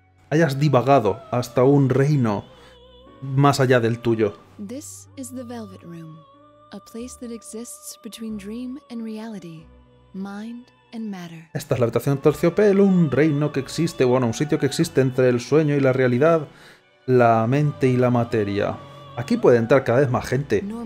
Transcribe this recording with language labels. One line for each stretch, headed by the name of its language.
Spanish: Hayas divagado hasta un reino más allá del tuyo.
English: This is the Velvet Room, a place that exists between dream and reality, mind.
Spanish: Esta es la habitación terciopelo, un reino que existe, bueno, un sitio que existe entre el sueño y la realidad, la mente y la materia. Aquí puede entrar cada vez más gente.